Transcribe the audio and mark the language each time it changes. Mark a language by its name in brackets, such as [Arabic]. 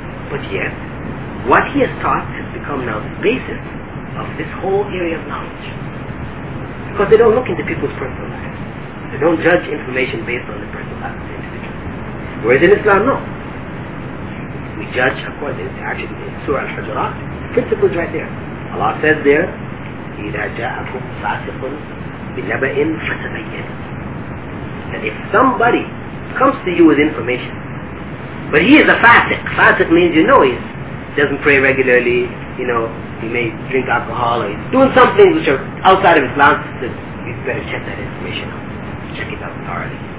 [English] But yet, what he has taught has become now the basis of this whole area of knowledge. Because they don't look into people's personal lives. They don't judge information based on the personal life of the individual. Whereas in Islam, no. We judge according to actually in Surah Al-Hujurat. The principle is right there. Allah says there, [Arabic] إِذَا جَاءَكُمْ فَاسِقٌ بِنَبَئٍ فَتَبَيَّنُ. [English] And if somebody comes to you with information, but he is a fasiq. Fasiq means, you know, he doesn't pray regularly, you know, he may drink alcohol, or he's doing some things which are outside of Islam, then you better check that information out. Check it out thoroughly.